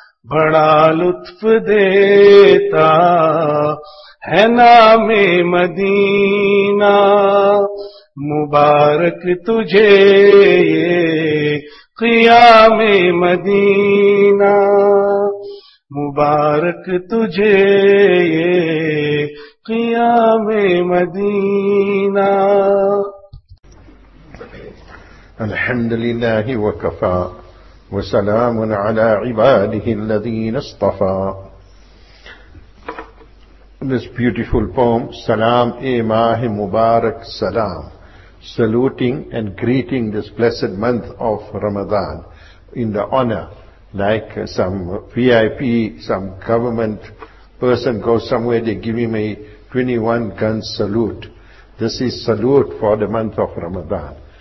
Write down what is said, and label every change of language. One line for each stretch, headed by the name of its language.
Urdu: بڑا لطف دیتا ہے نام مدینہ، مبارک تجھے یہ قیام مدینہ، مبارک تجھے یہ قیام مدینہ،
Arabic: الحمد لله وكفى وسلام على عباده الذين اصطفى.
English: This beautiful poem, Salam e Maah Mubarak Salam, saluting and greeting this blessed month of Ramadan in the honor, like some VIP, some government person goes somewhere, they give him a 21-gun salute. This is salute for the month of Ramadan.